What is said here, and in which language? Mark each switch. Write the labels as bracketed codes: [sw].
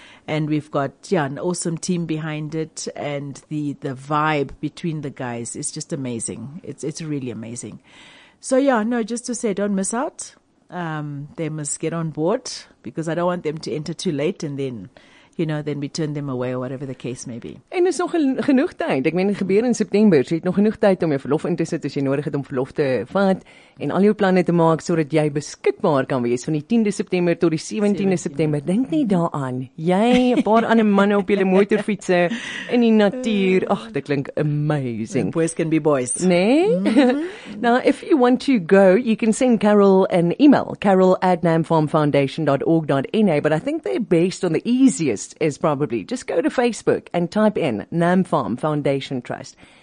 [en] And we've got, an awesome team behind it. And the vibe between the guys is just amazing. It's really amazing. So, just to say, don't miss out. They must get on board, because I don't want them to enter too late and then, you know, then we turn them away or whatever the case may be. [af] En is nog genoeg tyd. Ek meen, dit gebeur in September, so jy het nog genoeg tyd om jou verlof in te sit as jy nodig het om verlof te vat en al jou planne te maak sodat jy beskikbaar kan wees van die 10de September tot die 17de September. Dink nie daaraan. Jy, 'n paar ander manne op julle motorfietse in die natuur. Ag, dit klink amazing. [en] Boys can be boys. [af] Nee? Mm-hmm. [en] Now, if you want to go, you can send Carol an email, carol@namfarmfoundation.org.na, but I think they're based on the easiest is probably just go to Facebook and type in Nam Farm Foundation Trust.